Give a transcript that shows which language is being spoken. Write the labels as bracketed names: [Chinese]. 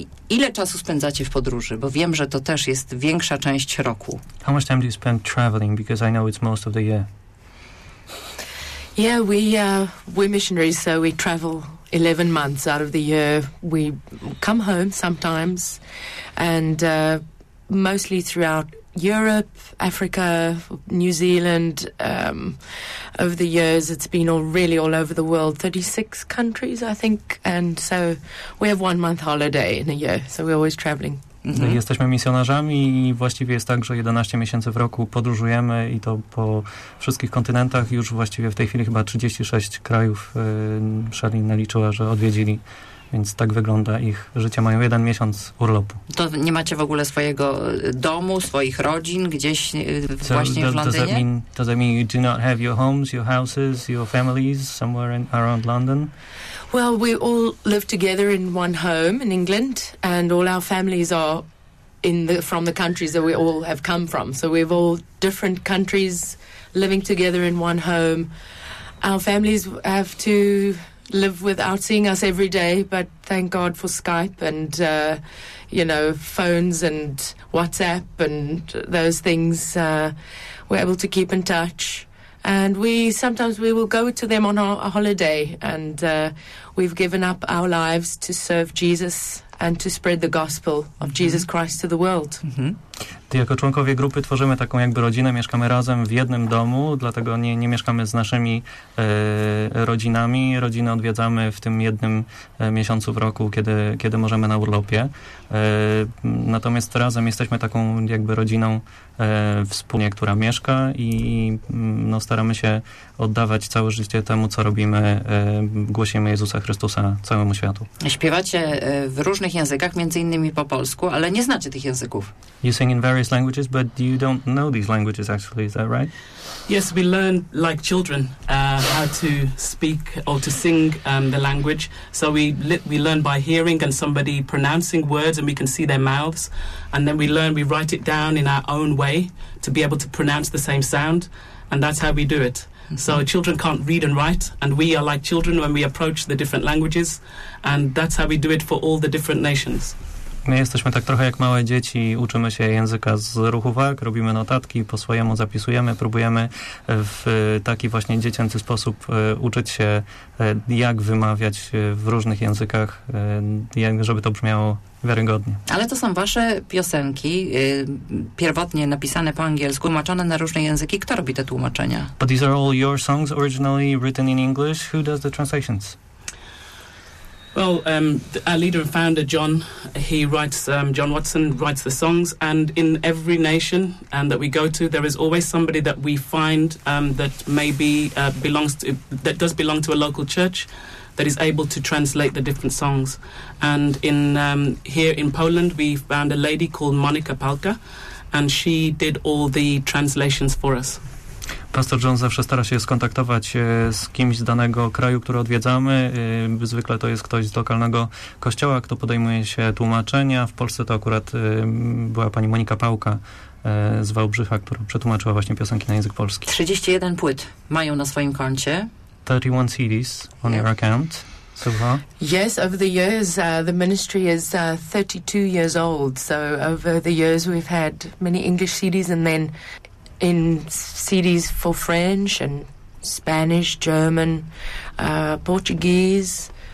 [Polish] Ile czasu spędzacie w podróży? Bo wiem, że to też jest większa część roku. [English] How much time do you spend traveling? Because I know it's most of the year. Yeah, we're missionaries, so we travel 11 months out of the year. We come home sometimes and mostly throughout Europe, Africa, New Zealand. Over the years, it's been really all over the world, 36 countries, I think. And so we have 1 month holiday in a year, so we're always traveling. Mm-hmm. [Polish] Jesteśmy misjonarzami i właściwie jest tak, że 11 miesięcy w roku podróżujemy i to po wszystkich kontynentach. Już właściwie w tej chwili chyba 36 krajów Shalin naliczyła, że odwiedzili. Więc tak wygląda ich życie. Mają jeden miesiąc urlopu. To nie macie w ogóle swojego domu, swoich rodzin gdzieś właśnie w Londynie? [English] Does that mean you do not have your homes, your houses, your families somewhere around London? Well, we all live together in one home in England, and all our families are from the countries that we all have come from. So we have all different countries living together in one home. Our families have to live without seeing us every day, but thank God for Skype and phones and WhatsApp and those things. We're able to keep in touch, and we sometimes will go to them on a holiday, and we've given up our lives to serve Jesus and to spread the gospel of Jesus Christ to the world. Mm-hmm. [Polish] Jako członkowie grupy tworzymy taką jakby rodzinę, mieszkamy razem w jednym domu, dlatego nie mieszkamy z naszymi rodzinami. Rodziny odwiedzamy w tym jednym miesiącu w roku, kiedy możemy, na urlopie. Natomiast razem jesteśmy taką jakby rodziną wspólnie, która mieszka i staramy się oddawać całe życie temu, co robimy. Głosimy Jezusa Chrystusa całemu światu. Śpiewacie w różnych językach, między innymi po polsku, ale nie znacie tych języków. [English] You sing in various languages, but you don't know these languages, actually, is that right? Yes, we learn, like children, how to speak or to sing the language. So we learn by hearing and somebody pronouncing words, and we can see their mouths. And then we write it down in our own way to be able to pronounce the same sound. And that's how we do it. So children can't read and write, and we are like children when we approach the different languages. And that's how we do it for all the different nations. [Polish] My jesteśmy tak trochę jak małe dzieci, uczymy się języka z ruchu wag, robimy notatki, po swojemu zapisujemy, próbujemy w taki właśnie dziecięcy sposób uczyć się, jak wymawiać w różnych językach, żeby to brzmiało wiarygodnie. Ale to są wasze piosenki, pierwotnie napisane po angielsku, tłumaczone na różne języki. Kto robi te tłumaczenia? [English] But these are all your songs originally written in English. Who does the translations? Well, our leader and founder, John, he writes, John Watson writes the songs, and in every nation that we go to, there is always somebody that we find that maybe belongs to a local church that is able to translate the different songs. And in here in Poland, we found a lady called Monica Palka, and she did all the translations for us. [Polish] Pastor John zawsze stara się skontaktować z kimś z danego kraju, który odwiedzamy. Zwykle to jest ktoś z lokalnego kościoła, kto podejmuje się tłumaczenia. W Polsce to akurat była pani Monika Pałka z Wałbrzycha, która przetłumaczyła właśnie piosenki na język polski. 31 płyt mają na swoim koncie. [English] 31 CDs on your account. So far. Yes, over the years, the ministry is 32 years old. So over the years we've had many English CDs and then in CDs for French and Spanish, German, Portuguese,